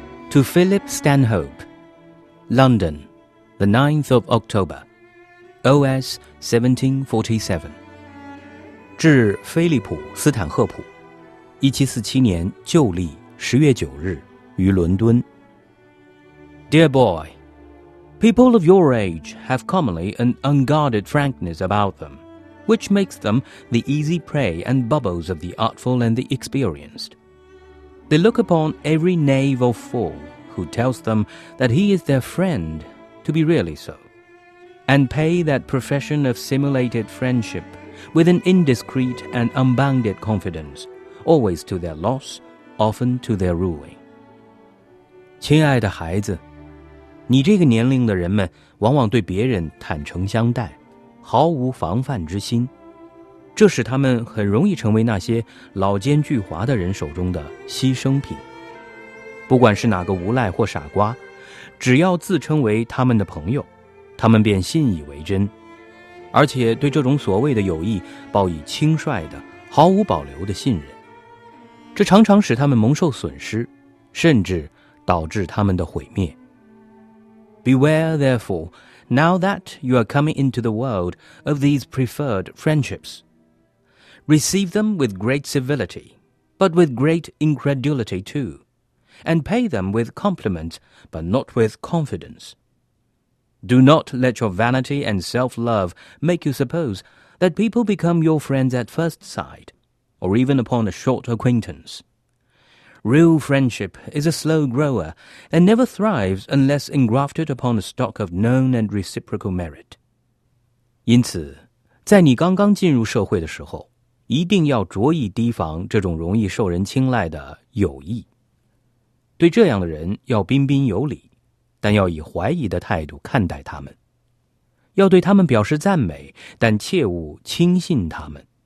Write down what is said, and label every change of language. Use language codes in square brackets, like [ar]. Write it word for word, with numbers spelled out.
[en] To Philip Stanhope, London. The ninth of October, O S seventeen forty-seven。 [zh] 致菲利普·斯坦赫普，一七四七年旧历十月九日于伦敦。 [en] Dear boy, people of your age have commonly an unguarded frankness about them, which makes them the easy prey and bubbles of the artful and the experienced. They look upon every knave or fool who tells them that he is their friend,to be really so, and pay that profession of simulated friendship with an indiscreet and unbounded confidence, always to their loss, often to their ruin. [zh] 亲爱的孩子，你这个年龄的人们往往对别人坦诚相待，毫无防范之心，这使他们很容易成为那些老奸巨猾的人手中的牺牲品。不管是哪个无赖或傻瓜，只要自称为他们的朋友，他们便信以为真，而且对这种所谓的友谊抱以轻率的、毫无保留的信任，这常常使他们蒙受损失，甚至导致他们的毁灭。 [en] Beware, therefore, now that you are coming into the world, of these preferred friendships. Receive them with great civility, but with great incredulity too. And pay them with compliments, but not with confidence. Do not let your vanity and self-love make you suppose that people become your friends at first sight, or even upon a short acquaintance. Real friendship is a slow grower and never thrives unless engrafted upon a stock of known and reciprocal merit. [zh] 因此，在你刚刚进入社会的时候，一定要着意提防这种容易受人青睐的友谊。对这样的人要彬彬有礼，但要以怀疑的态度看待他们，要对他们表示赞美，但切勿轻信他们。